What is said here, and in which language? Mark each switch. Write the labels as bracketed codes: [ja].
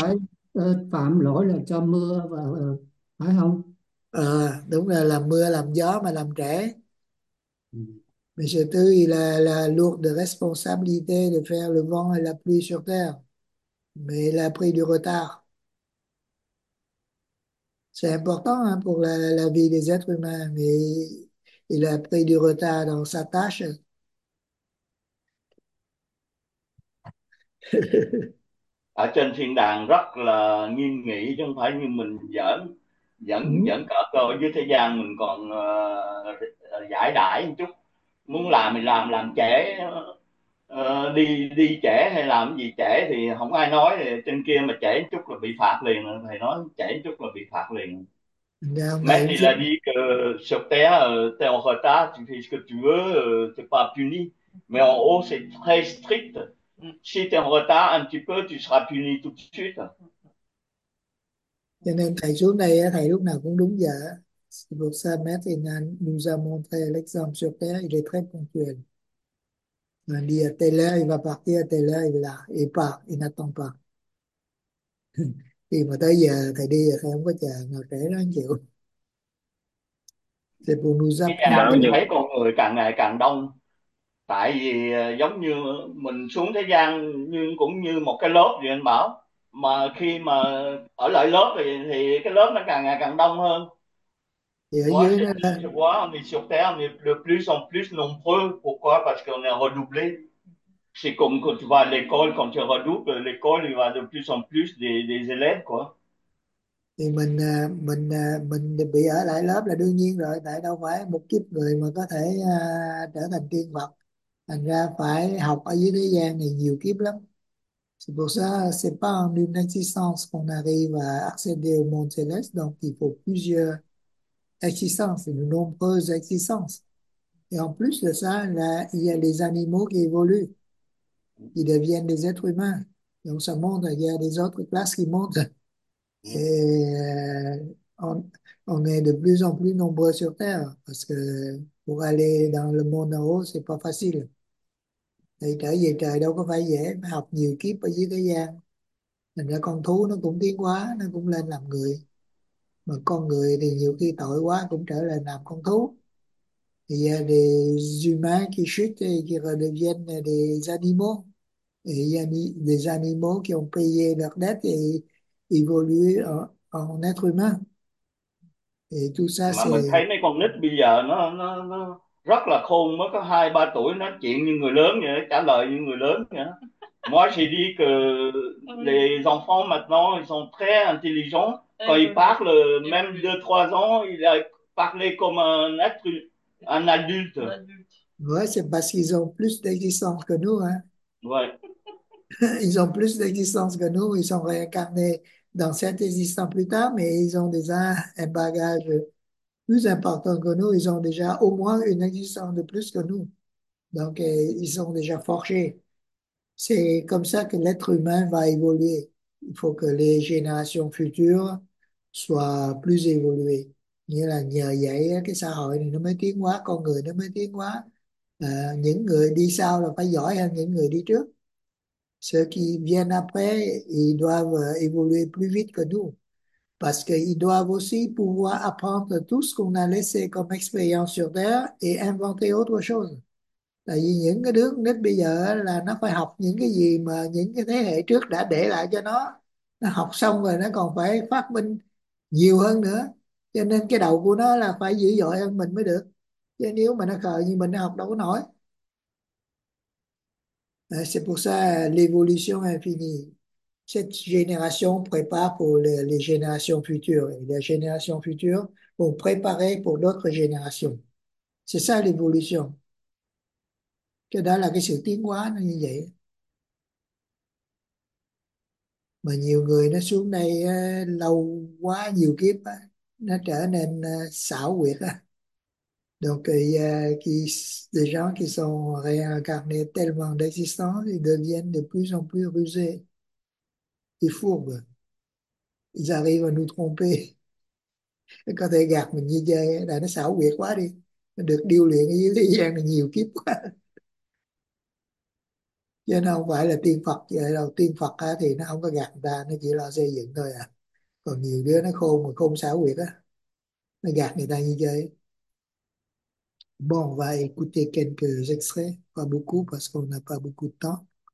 [vi] phải phạm lỗi là cho mưa và phải không? Đúng là làm mưa làm gió mà làm trễ. Ừ. [fr] Monsieur Tư là lourd de responsabilité de faire le vent et la pluie sur terre. Mais il a pris du retard. C'est important hein, pour la vie des êtres humains, mais il a pris du retard dans sa tâche. [vi] Ở trên thiên đàng rất là nghiêm nghị chứ không phải như mình giỡn giỡn giỡn cỡ cơ dưới thế gian mình còn giải đãi một chút muốn làm thì làm trễ đi đi trễ hay làm gì trễ thì không ai nói thì trên kia mà trễ chút là bị phạt liền thầy nói trễ chút là bị phạt liền mẹ thì là đi sập té theo hợp tác thì [fr] ce que tu veux c'est pas puni mais en haut c'est très strict. Si tu es en retard un petit peu, tu seras puni tout de suite. [vi] Cho nên thầy xuống đây thầy lúc nào cũng đúng giờ. [fr] Si vous savez maintenant, nous avons fait l'exemple sur terre, il est très ponctuel. Il dit à telle heure, il va partir à telle heure, il est là, il part, il n'attend pas. [vi] Khi mà tới giờ thầy đi, thầy không có chờ, ngồi trễ nó chịu. [fr] C'est pour nous [vi] Cái nhà [fr] apprendre. [vi] mình thấy con người càng ngày càng đông. Tại vì giống như mình xuống thế gian nhưng cũng như một cái lớp gì anh bảo mà khi mà ở lại lớp thì cái lớp nó càng ngày càng đông hơn Thì ở quá dưới [fr] c'est [vi] nó là [fr] plus quá on est sur terre on est de plus en plus nombreux pourquoi parce qu'on est redoublé c'est comme quand tu vas à l'école quand tu redoubles l'école il va de plus en plus des élèves quoi. [vi] thì mình bị ở lại lớp là đương nhiên rồi, tại đâu phải một kiếp người mà có thể trở thành tiên Phật, thành ra phải học ở dưới thế gian này nhiều kiếp lắm. [fr] C'est pour ça, c'est pas en une existence qu'on arrive à accéder au monde céleste, donc il faut plusieurs existence, de nombreuses existences. Et en plus de ça, là, il y a les animaux qui évoluent, qui deviennent des êtres humains. Donc ça montre qu'il y a des autres classes qui montent. Et on est de plus en plus nombreux sur Terre, parce que pour aller dans le monde en haut, c'est pas facile. [vi] Et trở về trời đâu có phải dễ, phải học nhiều kiếp ở dưới thế gian. Thành ra con thú nó cũng tiến hóa, nó cũng lên làm người. Mà con người thì nhiều khi tội quá cũng trở lại làm con thú. [fr] Il y a des humains qui chutent et qui redeviennent des animaux. Il y a des animaux qui ont payé leur dette et évoluent Còn être humain thì tout ça [vi] Mà mình [fr] c'est [vi] thấy mấy con nít bây giờ nó rất là khôn, mới có 2-3 tuổi nói chuyện như người lớn vậy, trả lời như người lớn vậy. [fr] Moi je dis que les enfants maintenant ils sont très intelligents. Quand ils parlent, même 2-3 ans, ils parlent comme un adulte. Ouais, c'est parce qu'ils ont plus d'existence que nous, hein. Ouais. Ils ont plus d'existence que nous, ils sont réincarnés dans cet existant plus tard, mais ils ont déjà un bagage plus important que nous. Ils ont déjà au moins une existence de plus que nous. Donc, ils sont déjà forgés. C'est comme ça que l'être humain va évoluer. Il faut que les générations futures soient plus évoluées. [vi] Nghĩa là nhờ vậy cái xã hội này nó mới tiến hóa, con người nó mới tiến hóa. Những người đi sau là phải giỏi hơn những người đi trước. [fr] Ceux qui viennent après, ils doivent évoluer plus vite que nous. Parce qu'ils doivent aussi pouvoir apprendre tout ce qu'on a laissé comme expérience sur Terre et inventer autre chose. [vi] Tại vì những cái đứa nít bây giờ là nó phải học những cái gì mà những cái thế hệ trước đã để lại cho nó. Nó học xong rồi nó còn phải phát minh nhiều hơn nữa. Cho nên cái đầu của nó là phải dữ dội hơn mình mới được. Chứ nếu mà nó khờ như mình nó học đâu có nổi. [fr] C'est pour ça l'évolution infinie. Cette génération prépare pour les générations futures. Et les générations futures vont préparer pour d'autres générations. C'est ça l'évolution. [vi] Cái đó là cái sự tiến hóa nó như vậy. Mà nhiều người nó xuống đây lâu quá nhiều kiếp, nó trở nên xảo quyệt. [fr] Donc, des gens qui sont réincarnés tellement d'existants, ils deviennent de plus en plus rusés et fourbes. Ils arrivent à nous tromper. [vi] Ils có thể gạt mình như dây, là nó xảo quyệt quá đi. Nó được điêu luyện ở dưới thế gian này nhiều kiếp quá. Chứ nó không phải là tiên Phật vậy đâu. Tiên Phật á, thì nó không có gạt người ta, nó chỉ lo xây dựng thôi à. Còn nhiều đứa nó khôn mà khôn xảo quyệt á, nó gạt người ta như vậy. [fr] Bon, on va écouter quelques extraits, pas beaucoup parce qu'on n'a pas beaucoup de temps.